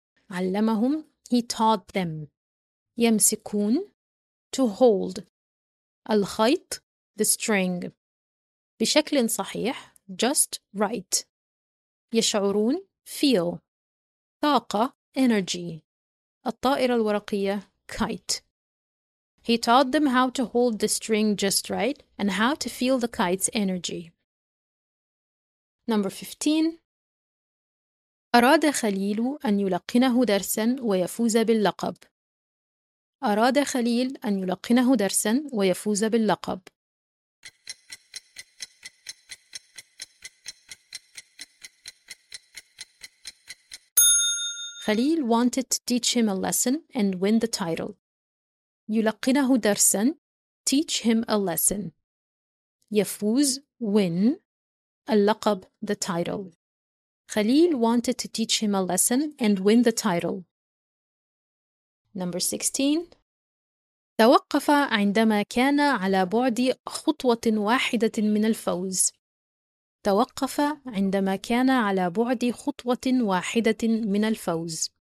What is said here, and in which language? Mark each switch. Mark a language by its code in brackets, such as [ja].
[ar] علمهم [en] he taught them [ar] يمسكون [en] to hold [ar] الخيط [en] the string [ar] بشكل صحيح [en] just right [ar] يشعرون [en] feel [ar] طاقة [en] energy [ar] الطائرة الورقية [en] kite. He taught them how to hold the string just right and how to feel the kite's energy. Number 15. [ar] أراد خليل أن يلقنه درسا ويفوز باللقب. أراد خليل أن يلقنه درسا ويفوز باللقب. [en] خليل wanted to teach him a lesson and win the title. [ar] يلقنه درسا [en] teach him a lesson [ar] يفوز [en] win [ar] اللقب [en] the title. خليل wanted to teach him a lesson and win the title. Number 16. [ar] توقف عندما كان على بعد خطوة واحدة من الفوز. توقف عندما كان على بعد خطوة واحدة من الفوز.